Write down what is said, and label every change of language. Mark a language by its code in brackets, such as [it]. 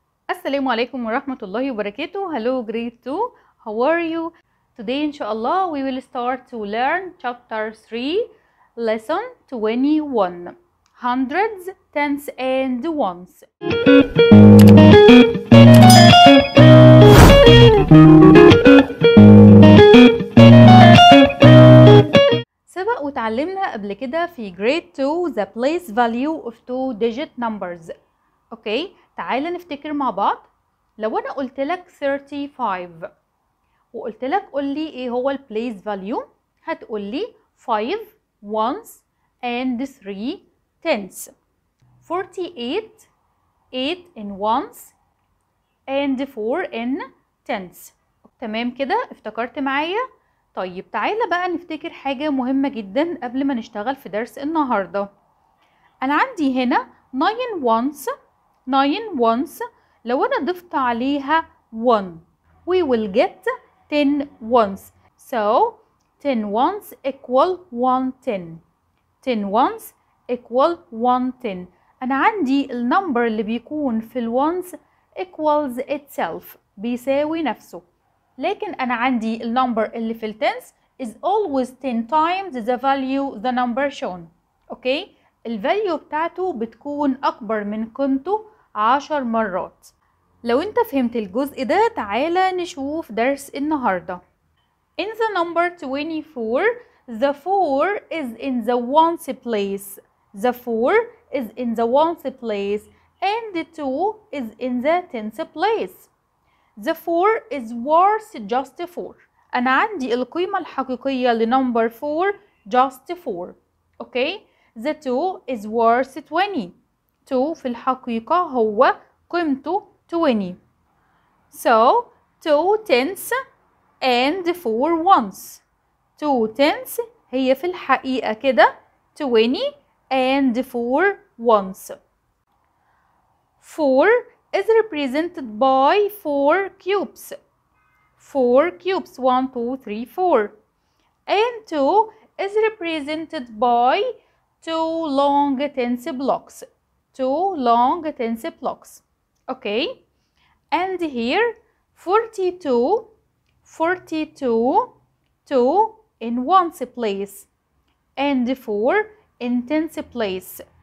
[ar] السلام عليكم ورحمة الله وبركاته. [en] Hello grade 2, how are you? Today [ar] إن شاء الله [en] we will start to learn chapter 3, lesson 21, hundreds, tens and ones. [ar] سبق وتعلمنا قبل كده في [en] grade 2 the place value of two digit numbers. [ar] اوكي تعال نفتكر مع بعض. لو انا قلت لك 35 وقلت لك قول لي ايه هو البليس فاليو، هتقول لي [en] 5 ones and 3 tens، 48 8 in ones and 4 in tens. [ar] تمام كده افتكرت معايا؟ طيب تعال بقى نفتكر حاجة مهمة جدا قبل ما نشتغل في درس النهاردة. انا عندي هنا 9 ones، 9 ones، لو انا ضفت عليها 1 [en] we will get 10 ones. So 10 ones equal 110. 10 ones equal 110. [ar] انا عندي النمبر اللي بيكون في ال ones [en] equals itself، [ar] بيساوي نفسه. لكن انا عندي النمبر اللي في ال [en] tens is always 10 times the value the number shown. [ar] اوكي ال value بتاعته بتكون اكبر من قيمته 10 مرات. لو انت فهمت الجزء ده تعالى نشوف درس النهاردة. [en] In the number 24 the 4 is in the ones place. The 4 is in the ones place and the 2 is in the tens place. The 4 is worth just 4. [ar] انا عندي القيمة الحقيقية لنمبر 4 [en] just 4. Okay. The 2 is worth 20. 2 [ar] في الحقيقة هو قيمته [en] 20. So 2 tens and 4 ones. [ar] 2 tens هي في الحقيقة كده 20 [en] and 4 ones. 4 is represented by 4 cubes. 4 cubes 1, 2, 3, 4. And 2 is represented by 2 long tens blocks. Two long tens blocks. Okay. And here 42, 42, 2 in ones place and 4 in tens place.